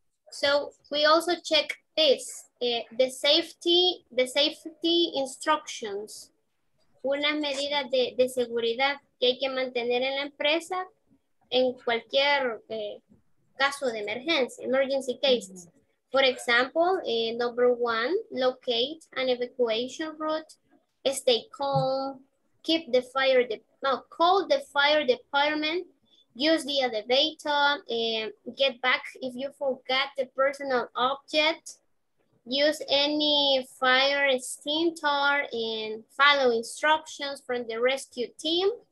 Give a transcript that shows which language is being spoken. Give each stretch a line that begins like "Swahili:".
English: So we also check this, the safety instructions.
Spanish: unas medidas de seguridad que hay que mantener en la empresa en cualquier caso de emergencia,
English: emergency cases. For example, number one, locate an evacuation route, stay calm, keep the fire, call the fire department, use the elevator, get back if you forgot the personal object, use any fire extinguisher and follow instructions from the rescue team,